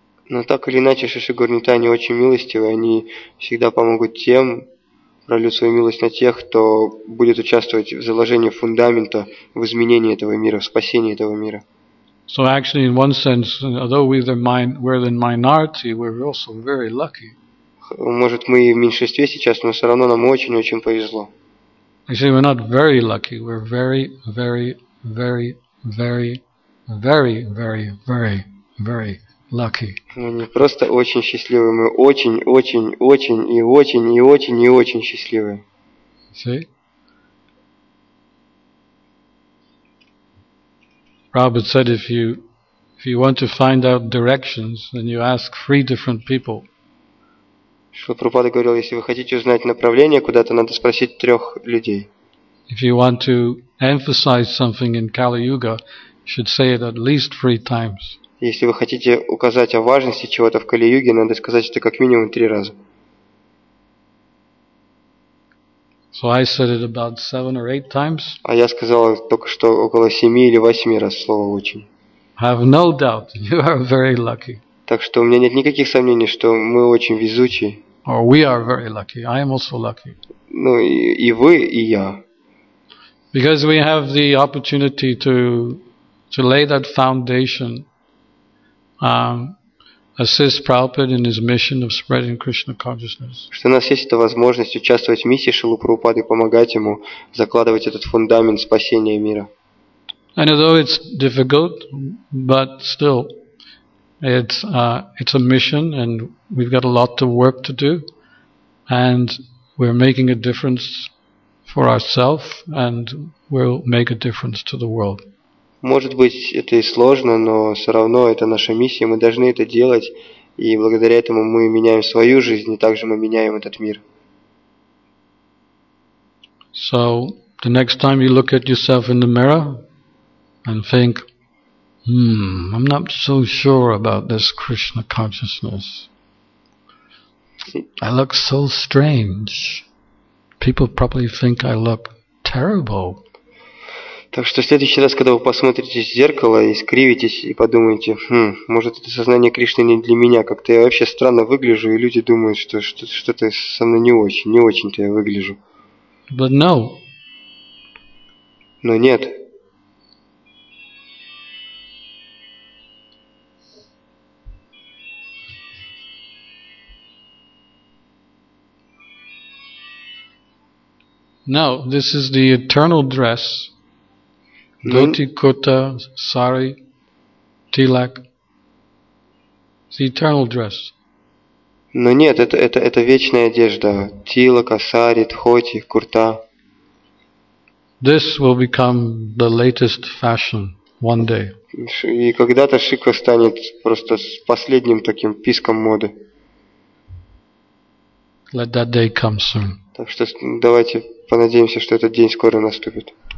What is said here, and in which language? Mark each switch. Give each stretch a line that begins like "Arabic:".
Russian: Но так или иначе, Шиши Горнитай, они очень милостивые, они всегда помогут тем, пролю свою милость на тех, кто будет участвовать в заложении фундамента, в изменении этого мира, в спасении этого мира.
English: So actually, in one sense, although we're the minority, we're also very lucky.
Russian: Может, мы в меньшинстве сейчас, но все равно нам очень-очень повезло.
English: Actually, we're not very lucky. We're very, very, very, very, very, very, very, very lucky.
Russian: Мы не просто очень счастливы, мы очень-очень-очень и очень и очень и очень счастливы.
English: See? Prabhupada said, if you want to find out directions, then you ask three different people.
Russian: Шрила Прабхупада говорил, если вы хотите узнать направление куда-то, надо спросить трех людей.
English: If you want to emphasize something in Kali Yuga, you should say it at least three times.
Russian: Если вы хотите указать о важности чего-то в Кали-Юге, надо сказать это как минимум три раза.
English: So I said it about 7 or 8 times.
Russian: А я сказал только что около 7 или 8 раз слово очень.
English: Have no doubt, you are very lucky.
Russian: Так что у меня нет никаких сомнений, что мы очень везучие.
English: Or we are very lucky. I am also lucky.
Russian: Ну и вы и я.
English: Because we have the opportunity to lay that foundation, assist Prabhupada in his mission of spreading Krishna consciousness.
Russian: Что у нас есть эта возможность участвовать в миссии Шрилы Прабхупады, помогать ему закладывать этот фундамент спасения мира.
English: And although it's difficult, but still, it's a mission, and we've got a lot of work to do, and we're making a difference for ourselves, and we'll make a difference to the world.
Russian: Может быть, это и сложно, но все равно это наша миссия. Мы должны это делать, и благодаря этому мы меняем свою жизнь, и также мы меняем этот мир.
English: So the next time you look at yourself in the mirror and think, I'm not so sure about this Krishna consciousness. I look so strange. People probably think I look terrible.
Russian: Так что в следующий раз, когда вы посмотрите в зеркало и скривитесь, и подумаете, может, это сознание Кришны не для меня, как-то я вообще странно выгляжу, и люди думают, что что-то со мной не очень, не очень-то я выгляжу.
English: But no.
Russian: Но нет.
English: No, this is the eternal dress. Dhoti, kurta, sari, tilak. It's the eternal dress.
Russian: Но нет, это вечная одежда. Тилака, сари, дхоти, курта.
English: This will become the latest fashion one day.
Russian: И когда-то шика станет просто последним таким писком моды.
English: Let that day come soon.
Russian: Так что давайте понадеемся, что этот день скоро наступит.